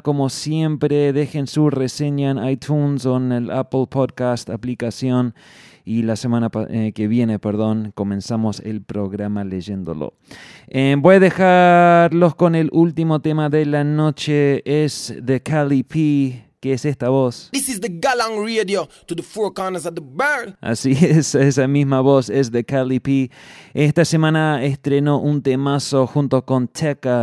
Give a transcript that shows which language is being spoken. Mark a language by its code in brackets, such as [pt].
[es] Como siempre, dejen su reseña en iTunes o en el Apple Podcast aplicación. Y la semana que viene, comenzamos el programa leyéndolo. Voy a dejarlos con el último tema de la noche. Es de Cali P. ¿Qué es esta voz? [en] This is the Galang Radio to the four corners of the world. [es] Así es, esa misma voz es de Cali P. Esta semana estrenó un temazo junto con Tekka.